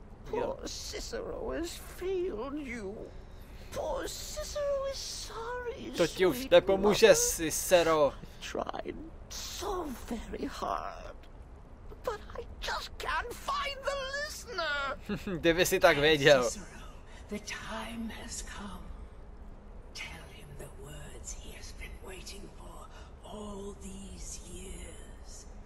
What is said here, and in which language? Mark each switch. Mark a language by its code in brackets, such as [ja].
[en] Poor Cicero has failed you. Poor Cicero is sorry. [cs] To ti už nepomůže, Cicero. [en] I tried so very hard, but I just can't find the listener. [cs] Kdyby si tak věděl. [en] Cicero, the time has come. Tell him the words he has been waiting for all these years.